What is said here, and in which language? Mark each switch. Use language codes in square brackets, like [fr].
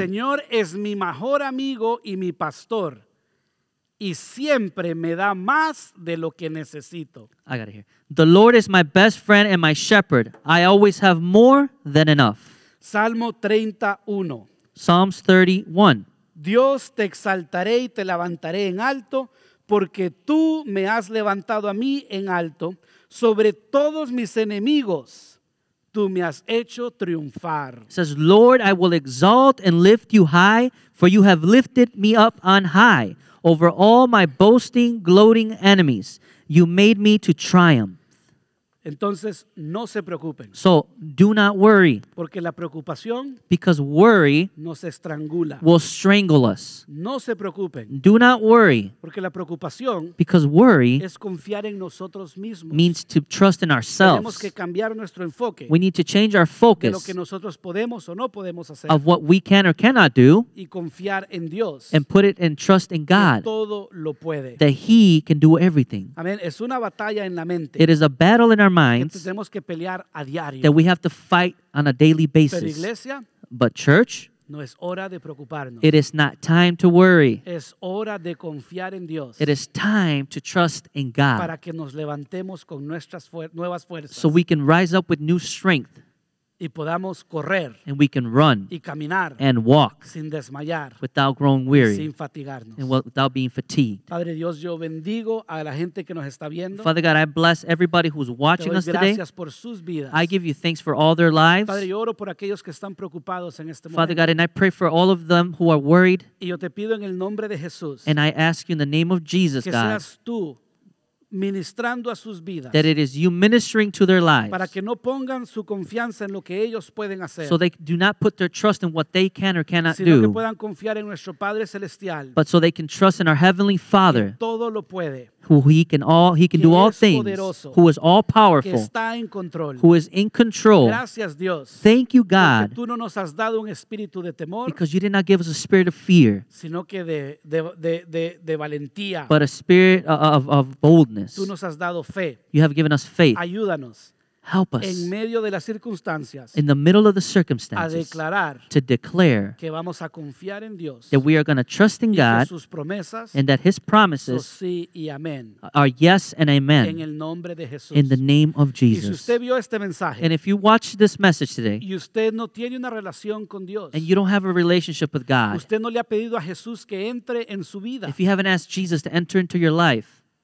[es] El Señor es mi mejor amigo y mi pastor, y siempre me da más de lo que necesito. [en] I got it here. The Lord is my best friend and my shepherd. I always have more than enough. [es] Salmo 31. [en] Psalms 31. [es] Dios, te exaltaré y te levantaré en alto, porque tú me has levantado a mí en alto sobre todos mis enemigos. Tú me has hecho triunfar. [en] It says, Lord, I will exalt and lift you high, for you have lifted me up on high over all my boasting, gloating enemies. You made me to triumph. [es] Entonces, no se preocupen. [en] So, do not worry. [es] Porque la preocupación, [en] because worry, [es] nos estrangula, [en] will strangle us. [es] No se preocupen. [en] Do not worry. [es] Porque la preocupación, [en] because worry, [es] es confiar en nosotros mismos, [en] means to trust in ourselves. [es] Tenemos que cambiar nuestro enfoque, [en] we need to change our focus, [es] de lo que nosotros podemos o no podemos hacer, [en] of what we can or cannot do, [es] y confiar en Dios, [en] and put it and trust in God, [es] que todo lo puede, [en] that He can do everything. [es] Amen. Es una batalla en la mente. [en] It is a battle in our minds, [es] que tenemos que pelear a diario, [en] that we have to fight on a daily basis. [es] Pero iglesia, [en] but church, [es] no es hora de preocuparnos. [en] It is not time to worry. [es] Es hora de confiar en Dios. [en] It is time to trust in God. [es] Para que nos levantemos con nuestras nuevas fuerzas. [en] So we can rise up with new strength. [es] Y podamos correr. [en] And we can run. [es] Y caminar. [en] And walk. [es] Sin desmayar. [en] Without growing weary. [es] Sin fatigarnos. [en] And without being fatigued. [es] Padre Dios, yo bendigo a la gente que nos está viendo. [en] Father God, I bless everybody who's watching us today. [es] Gracias por sus vidas. [en] I give you thanks for all their lives. [es] Padre, yo oro por aquellos que están preocupados en este [en] Father [es] momento. [en] God, and I pray for all of them who are worried. [es] Y yo te pido en el nombre de Jesús. [en] And I ask you in the name of Jesus, [es] que [en] God. [es] Que seas tú ministrando a sus vidas, [en] that it is you ministering to their lives, [es] para que no pongan su confianza en lo que ellos pueden hacer, [en] so they do not put their trust in what they can or cannot [es] sino [en] do, [es] sino que puedan confiar en nuestro Padre Celestial, [en] but so they can trust in our Heavenly Father, [es] que todo lo puede, [en] who he can do all things, [es] poderoso, [en] who is all powerful, [es] que está en control, [en] who is in control. [es] Gracias, Dios. [en] Thank you, God. [es] Porque tú no nos has dado un espíritu de temor, [en] because you did not give us a spirit of fear, [es] sino que de valentía, [en] but a spirit of boldness. [es] Tú nos has dado fe. [en] You have given us faith. [es] Ayúdanos. [en] Help us. [es] En medio de las circunstancias, [en] in the middle of the circumstances, [es] a declarar, [en] to declare, [es] que vamos a confiar en Dios, [en] that we are going to trust in [es] y [en] God, [es] sus promesas, [en] and that His promises, [es] so sí y amén, [en] are yes and amen, [es] en el nombre de Jesús, [en] in the name of Jesus. [es] Y si usted vio este mensaje, [en] and if you watch this message today, [es] y usted no tiene una relación con Dios, [en] and you don't have a relationship with God, [es] usted no le ha pedido a Jesús que entre en su vida, [en] if you haven't asked Jesus to enter into your life,